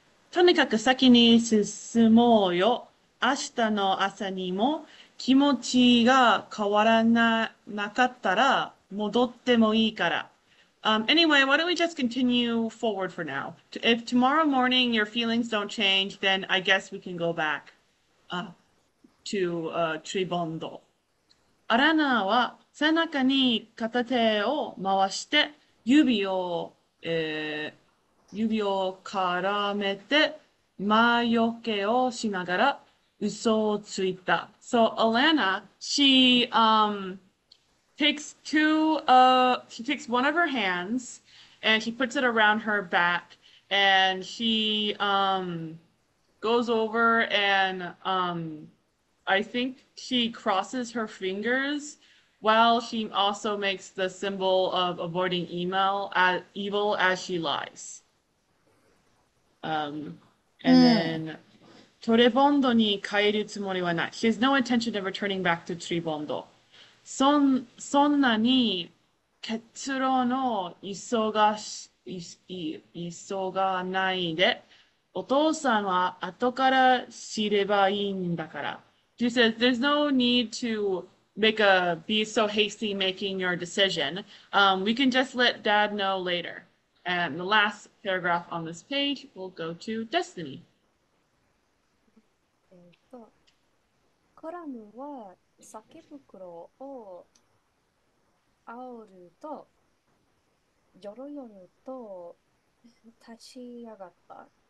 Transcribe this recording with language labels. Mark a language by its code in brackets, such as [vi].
[ja] とにかく先に進もうよ。明日の朝にも気持ちが変わらなかったら戻ってもいいから。 [en] Anyway, why don't we just continue forward for now? If tomorrow morning your feelings don't change, then I guess we can go back to Tribondo. [ja] アラナは背中に片手を回して、指を絡めて、魔除けをしながら嘘をついた。 [en] So, Alanna, she takes one of her hands and she puts it around her back and she goes over and I think she crosses her fingers. Well, she also makes the symbol of avoiding evil as she lies. And then, [ja] Trebondo に帰るつもりはない。 [en] She has no intention of returning back to Trebondo. [ja] そんなに結論を急がないで、お父さんは後から知ればいいんだから。 [en] She says, there's no need to be so hasty making your decision. We can just let Dad know later. And the last paragraph on this page will go to Destiny. [ja] コラムは酒袋を煽ると、ジョロヨヨと立ち上がった。